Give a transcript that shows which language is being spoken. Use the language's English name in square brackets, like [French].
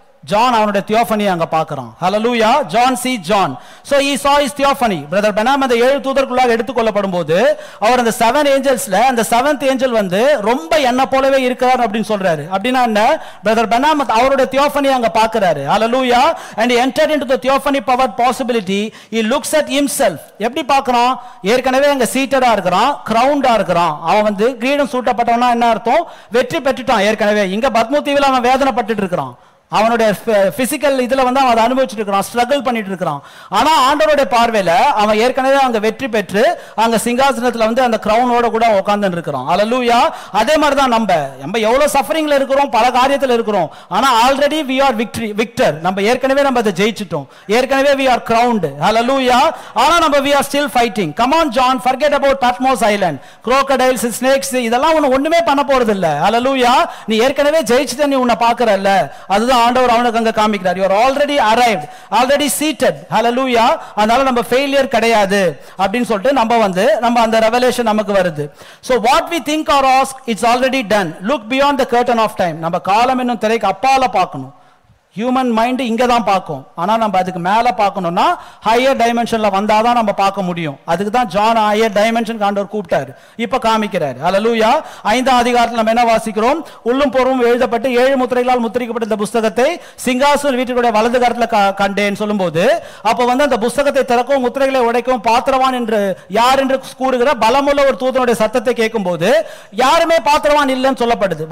[Tamil] John, அவனுடைய தியோபனியை அங்க பாக்குறான். Hallelujah. [English] John see John. So he saw his theophany. [Tamil] Brother Benham அந்த ஏழு தூதர்களாக எடுத்துக்கொள்ளப்படும் போது அவர் அந்த 7 ஏஞ்சல்ஸ்ல அந்த 7th ஏஞ்சல் வந்து ரொம்ப என்ன போலவே இருக்கிறார் அப்படின்னு சொல்றாரு. அப்படின்னா என்ன? Brother Benham அவருடைய தியோபனியை அங்க பாக்குறாரு. [English] Hallelujah. And he entered into the theophany power possibility. He looks at himself. [Tamil] எப்படி பாக்குறான்? ஏற்கனவே அங்க சீட்டடா இருக்கிறான், கிரவுண்டா இருக்கிறான். அவன் வந்து கிரீடம் சூட்டப்பட்டவனா என்ன அர்த்தம்? வெற்றி பெற்றுட்டான் ஏற்கனவே. இங்க பத்மூத்தீவில் அவன் வேதனைப்பட்டு இருக்கிறான். அவனுடைய பிசிக்கல் இதுல வந்து அவன் அதை அனுபவிச்சுட்டு இருக்கிறான், ஸ்ட்ரகிள் பண்ணிட்டு இருக்கிறான். ஆனா ஆண்டவருடைய பார்வையில அவன் ஏற்கனவே அங்க வெற்றி பெற்று அங்க சிங்காசனத்துல வந்து அந்த கிரௌனோட கூட உட்கார்ந்து இருக்கிறான். அல்லேலூயா. அதே மாதிரிதான் நம்ம எவ்வளவு சஃபரிங்ல இருக்கிறோம், பல காரியத்துல இருக்கிறோம், ஆனா [English] Already we are victory victor. [Tamil] நம்ம ஏற்கனவே நம்ம அதை ஜெயிச்சிட்டோம், ஏற்கனவே [English] We are ground. [Tamil] அல்லேலூயா. ஆனா நம்ம [English] We are still fighting. Come on John, forget about Patmos Island, crocodiles, snakes, [Tamil] இதெல்லாம் உன் ஒண்ணுமே பண்ண போறது இல்ல. அல்லேலூயா. நீ ஏற்கனவே ஜெயிச்சுட்ட, நீ உன்னை பாக்குற இல்ல. அது ஆண்டவர் அவனுக்கு அங்க காமிக்கிறார். [English] You are already arrived, already seated. Hallelujah. [Tamil] அதனால நம்ம failure கிடையாது அப்படினு சொல்லிட்டு நம்ம வந்து நம்ம அந்த revelation நமக்கு வருது. [English] So what we think or ask, it's already done. Look beyond the curtain of time. [Tamil] நம்ம காலம் என்னும் திரைக்கு அப்பால பார்க்கணும். ஹியூமன் மைண்ட் இங்க தான் பார்க்கும், ஆனா நம்ம அதுக்கு மேல பார்க்கணும்னா ஹையர் டைமென்ஷன்ல வந்தாதான் நம்ம பார்க்க முடியும். அதுக்குதான் ஜான் ஹையர் டைமென்ஷன் ஆண்டவர் கூப்பிட்டாரு, இப்ப காமிக்கிறாரு. அல்லேலூயா. 5 நம்ம என்ன வாசிக்கிறோம்? உள்ளும் பொறும் எழுதப்பட்டு 7 முத்திரைகளால் முத்திரிக்கப்பட்ட புஸ்தகத்தை சிங்காசன வீட்டுடைய வலது கரத்துல கண்டேன்னு சொல்லும் போது அப்ப வந்து அந்த புஸ்தகத்தை திறக்கும், முத்திரைகளை உடைக்கும், பாத்திரவான் என்று யார் என்று கூறுகிற பலமுள்ள ஒரு தூதனுடைய சத்தத்தை கேட்கும் போது யாருமே பாத்திரவான் இல்லைன்னு சொல்லப்படுது.